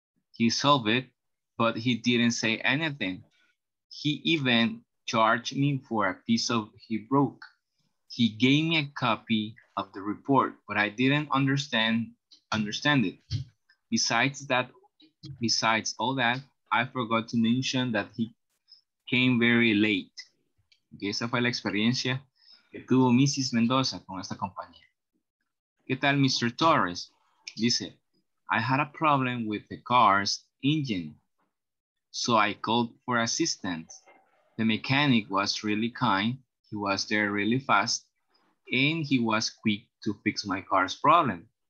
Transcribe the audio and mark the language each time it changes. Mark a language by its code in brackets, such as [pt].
[en] He solved it, but he didn't say anything. He even charged me for a piece of he broke. He gave me a copy of the report, but I didn't understand it. Besides all that, I forgot to mention that he came very late. [es] Okay, esa fue la experiencia que tuvo Mrs. Mendoza con esta compañía. ¿Qué tal, Mr. Torres? [en] Dice, I had a problem with the car's engine, so I called for assistance. The mechanic was really kind. He was there really fast, and he was quick to fix my car's problem.